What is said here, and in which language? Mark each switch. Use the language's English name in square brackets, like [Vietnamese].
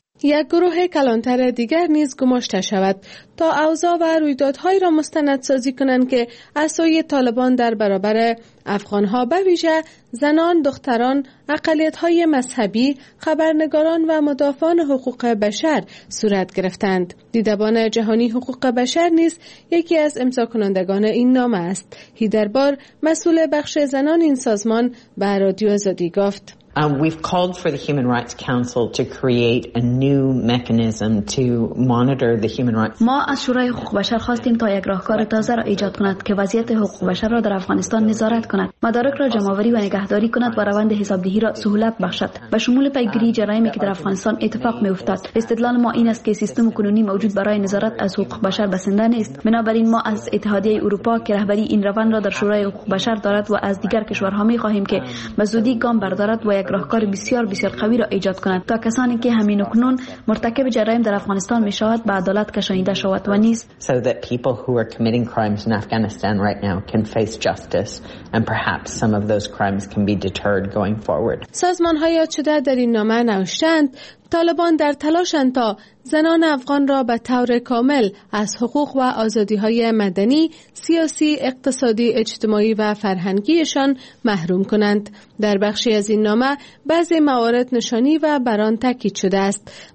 [Persian] یک گروه کلانتر دیگر نیز گماشته شود تا اوضاع و رویدادهایی را مستندسازی کنند که از سوی طالبان در برابر افغانها به ویژه زنان، دختران، اقلیت‌های مذهبی، خبرنگاران و مدافعان حقوق بشر صورت گرفتند. دیدبان جهانی حقوق بشر نیز یکی از امضا کنندگان این نامه است. هیدربار، مسئول بخش زنان این سازمان، به رادیو آزادی گفت: [English] We've called for the Human Rights Council to create a new mechanism to monitor the human rights. [Persian] ما از شورای حقوق بشر خواستیم تا یک راهکار تازه را ایجاد کند که وضعیت حقوق بشر را در افغانستان نظارت کند، مدارک را جمع‌آوری و نگهداری کند و روند حسابدهی را سهولت بخشد، به شمول پیگیری جرایمی که در افغانستان اتفاق می‌افتد. استدلال ما این است که سیستم کنونی موجود برای نظارت از حقوق بشر بسنده نیست. بنابراین ما از اتحادیه اروپا که رهبری این روند را در شورای حقوق بشر دارد و از دیگر کشورها می‌خواهیم که به‌زودی گام بردارد، یک راهکار بسیار بسیار قوی را ایجاد کند تا کسانی که همین اکنون مرتکب جرایم در افغانستان می شود به عدالت کشانیده شود و نیز [English] so that people who are committing crimes in Afghanistan right now can face justice and perhaps some of those crimes can be deterred going forward. [Persian] سازمان های شده در این نامه نوشتند طالبان در تلاشند تا زنان افغان را به طور کامل از حقوق و آزادی‌های مدنی، سیاسی، اقتصادی، اجتماعی و فرهنگیشان محروم کنند. در بخشی از این نامه بعضی موارد نشانی و بر آن تاکید شده است.